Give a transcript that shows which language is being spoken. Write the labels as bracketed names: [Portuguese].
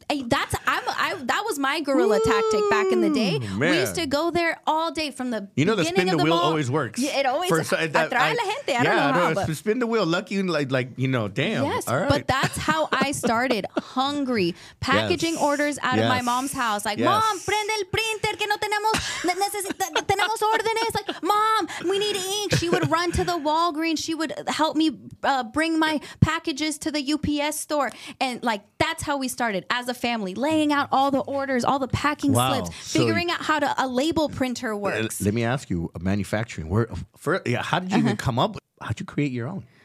[English] That was my guerrilla tactic back in the day. Man. We used to go there all day from the beginning. You know, beginning the spin of the wheel mall. Always works. Yeah, it always. I don't know how, but spin the wheel. Lucky, like you know, damn. Yes, all right. But that's how I started. Hungry. Packaging orders out of my mom's house. Like, mom, [Spanish] prende el printer que no tenemos órdenes. [English] Like, mom, we need ink. She would run to the Walgreens. She would help me bring my packages to the UPS store. And like, that's how we started as a family, laying out all the orders, all the packing slips, figuring out how a label printer works. Let me ask you, manufacturing, how did you even come up with, how'd you create your own?